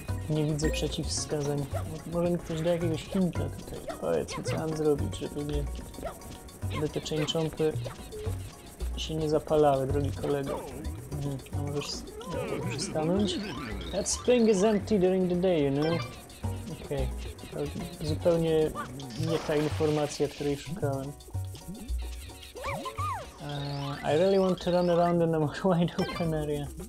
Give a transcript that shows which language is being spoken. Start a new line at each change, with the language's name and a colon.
Polish: Nie widzę przeciwwskazań. Może mi ktoś da jakiegoś hinta tutaj. Powiedz mi, co mam zrobić, żeby te chain chompy się nie zapalały, drogi kolego. A możesz przystanąć?
English: That spring is empty during the day, you know?
Polish: Okej. Okay. Zupełnie nie ta informacja, której szukałem.
English: I really want to run around in a more wide open area.